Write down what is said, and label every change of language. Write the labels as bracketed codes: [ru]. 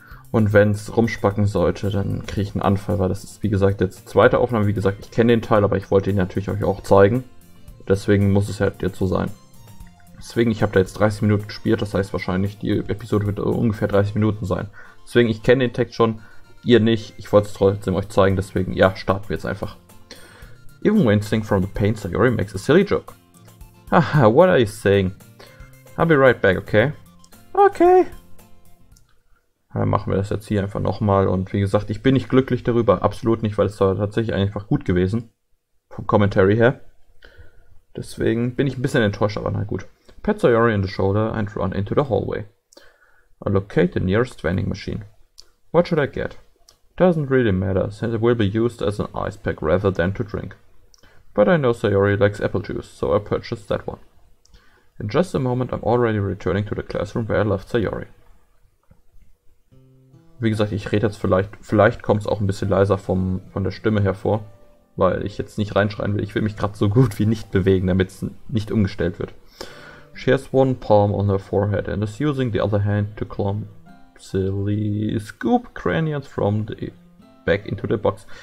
[de] Und wenn es rumspacken sollte, dann kriege ich einen Anfall, weil das ist, wie gesagt, jetzt zweite Aufnahme. Wie gesagt, ich kenne den Teil, aber ich wollte ihn natürlich euch auch zeigen. Deswegen muss es halt jetzt so sein. Deswegen, ich habe da jetzt 30 Minuten gespielt, das heißt wahrscheinlich, die Episode wird ungefähr 30 Minuten sein. Deswegen, ich kenne den Text schon, ihr nicht, ich wollte es trotzdem euch zeigen, deswegen, ja, starten wir jetzt einfach. [en] Even wincing from the pain, Sayori makes a silly joke. Haha, what are you saying? I'll be right back, okay? Okay. [de] Dann machen wir das jetzt hier einfach nochmal und wie gesagt, ich bin nicht glücklich darüber, absolut nicht, weil es war tatsächlich einfach gut gewesen. Vom Commentary her. Deswegen bin ich ein bisschen enttäuscht, aber na gut. [en] Pat Sayori on the shoulder and run into the hallway. I locate the nearest vending machine. What should I get? Doesn't really matter, since it will be used as an ice pack rather than to drink. But I know Sayori likes apple juice, so I purchase that one. In just a moment I'm already returning to the classroom where I left Sayori. [de] Wie gesagt, ich rede jetzt vielleicht kommt es auch ein bisschen leiser von der Stimme hervor, weil ich jetzt nicht reinschreien will. Ich will mich gerade so gut wie nicht bewegen, damit es nicht umgestellt wird. [en] She has one palm on her forehead and is using the other hand to clumsily scoop crayons from the back into the box.